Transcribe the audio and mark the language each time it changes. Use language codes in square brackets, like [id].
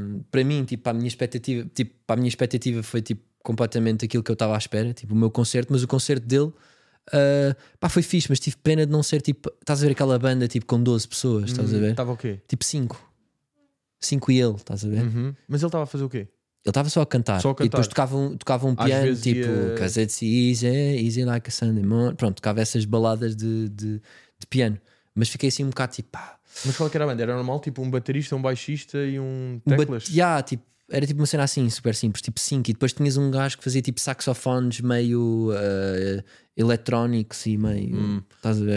[pt] Para mim, tipo, para a minha expectativa foi tipo, completamente aquilo que eu estava à espera, tipo, o meu concerto, mas o concerto dele. Pá, foi fixe, mas tive pena de não ser tipo. Estás a ver aquela banda tipo com 12 pessoas? Estás a ver? Estava o quê? Tipo 5. 5 e ele, estás a ver? Uhum. Mas ele estava a fazer o quê? Ele estava só a cantar. Só a cantar. E depois tocava um piano tipo. [en] Cause it's easy like a Sunday morning. [pt] Pronto, tocava essas baladas de piano. Mas fiquei assim um bocado tipo pá. Mas qual que era a banda? Era normal? Tipo um baterista, um baixista e um teclas? Tipo. Era tipo uma cena assim, super simples, tipo 5. E depois tinhas um gajo que fazia tipo saxofones meio eletrónicos e meio. Estás a ver?